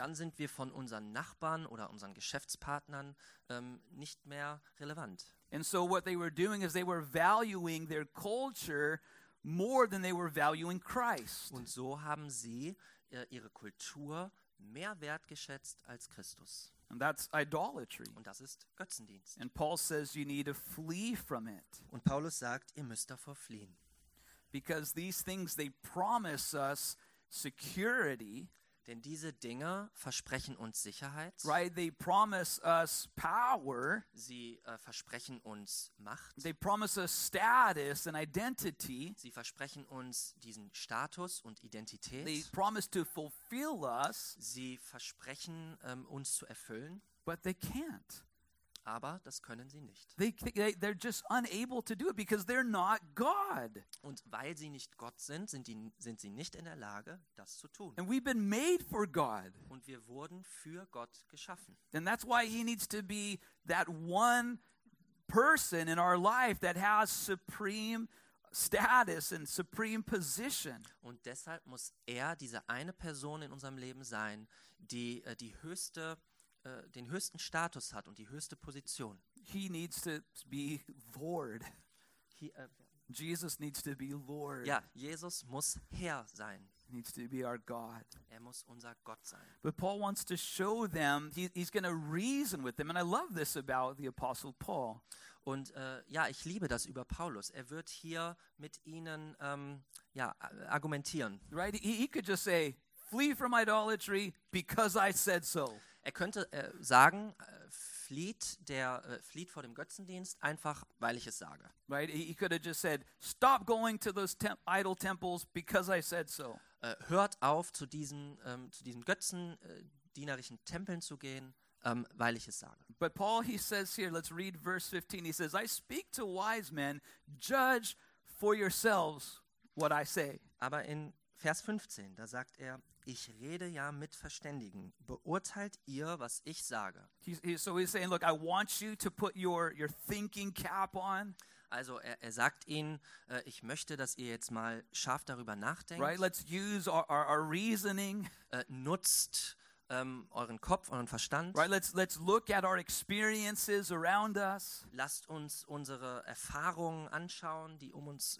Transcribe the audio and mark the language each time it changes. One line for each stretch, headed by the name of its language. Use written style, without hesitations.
German: Dann sind wir von unseren Nachbarn oder unseren Geschäftspartnern nicht mehr relevant.
English: And so what they were doing is they were valuing their culture more than they were valuing Christ.
German: Und so haben sie ihre Kultur mehr wertgeschätzt als Christus.
English: And that's idolatry.
German: Und das ist Götzendienst.
English: And Paul says you need to flee from it.
German: Und Paulus sagt, ihr müsst davor fliehen.
English: Because these things, they promise us security.
German: Denn diese Dinge versprechen uns Sicherheit.
English: Right, they promise us power.
German: Sie versprechen uns Macht.
English: They promise us status and identity.
German: Sie versprechen uns diesen Status und Identität.
English: They promise to fulfill us.
German: Sie versprechen uns zu erfüllen.
English: But they can't.
German: Aber das können sie nicht.
English: They're just unable to do it because they're not God.
German: Und weil sie nicht Gott sind, sind sie nicht in der Lage, das zu tun.
English: And we've been made for God.
German: Und wir wurden für Gott geschaffen.
English: And that's why he needs to be that one person in our life that has supreme status and supreme position.
German: Und deshalb muss er diese eine Person in unserem Leben sein, die die höchste den höchsten Status hat und die höchste Position.
English: He needs to be Lord. Jesus needs to be Lord.
German: Ja, Jesus muss Herr sein.
English: He needs to be our God.
German: Er muss unser Gott sein.
English: But Paul wants to show them, he's going to reason with them. And I love this about the Apostle Paul.
German: Und ja, ich liebe das über Paulus. Er wird hier mit ihnen argumentieren.
English: Right? He could just say, flee from idolatry because I said so.
German: Er könnte sagen, flieht vor dem Götzendienst einfach, weil ich es sage.
English: Right, he could have just said, stop going to those idol temples because I said so.
German: Hört auf, zu diesen götzendienerischen Tempeln zu gehen, weil ich es sage.
English: But Paul, he says here, let's read verse 15. He says, I speak to wise men, judge for yourselves what I say.
German: Aber in Vers 15, da sagt er, ich rede ja mit Verständigen. Beurteilt ihr, was ich sage.
English: So he's saying, look, I want you to put your thinking cap on.
German: Also er sagt ihnen, ich möchte, dass ihr jetzt mal scharf darüber nachdenkt.
English: Right, let's use our reasoning.
German: Nutzt euren Kopf, euren Verstand.
English: Right, let's look at our experiences around us.
German: Lasst uns unsere Erfahrungen anschauen, die um uns,